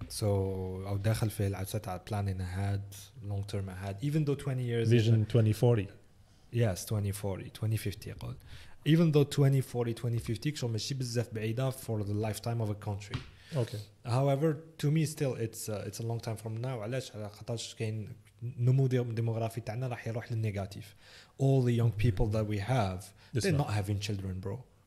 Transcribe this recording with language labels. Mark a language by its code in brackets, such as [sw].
[en] So planning ahead, long term ahead, even though 20 years. Vision 2040. Yes, 2040, 2050. Even though 2040, 2050, [ar] شو مشي بالزاف بعيدة [en] for the lifetime of a country. Okay. However, to me, still, it's a long time from now. [ar] علاش على خاطرش كاين نمو ديموغرافي تاعنا راح يروح للنيجاتيف. [en] All the young people that we have, they're not having children, bro.